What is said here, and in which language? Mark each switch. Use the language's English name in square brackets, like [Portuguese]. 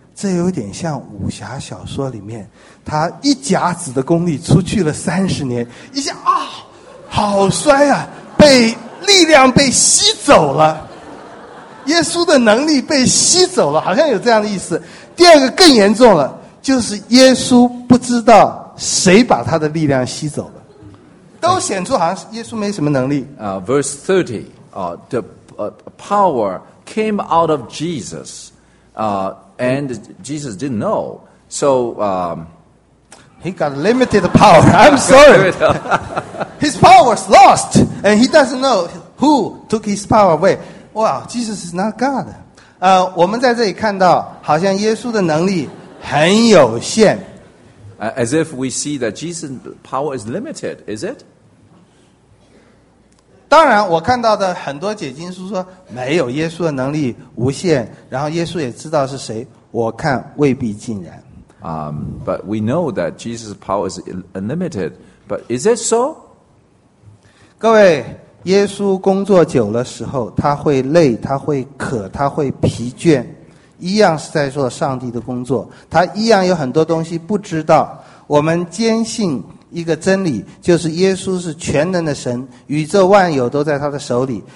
[Chinese] 这有点像武侠小说里面，他一甲子的功力出去了三十年，一下啊，好衰啊，被力量被吸走了，耶稣的能力被吸走了，好像有这样的意思。第二个更严重了，就是耶稣不知道谁把他的力量吸走了，都显出好像耶稣没什么能力。 [English] Verse 30, the power came out of Jesus, And Jesus didn't know. So, he got limited power. I'm sorry. His power was lost. And he doesn't know who took his power away. Wow, Jesus is not God. [Chinese] 我们在这里看到好像耶稣的能力很有限。 [English] As if we see that Jesus' power is limited, is it? [Chinese] 当然我看到的很多解经书说没有，耶稣的能力无限，然后耶稣也知道是谁。我看未必尽然。 [English] But we know that Jesus' power is unlimited. But is it so? [Chinese] 各位，耶稣工作久了时候，他会累，他会渴，他会疲倦，一样是在做上帝的工作，他一样有很多东西不知道。我们坚信一个真理，就是耶稣是全能的神，宇宙万有都在他的手里。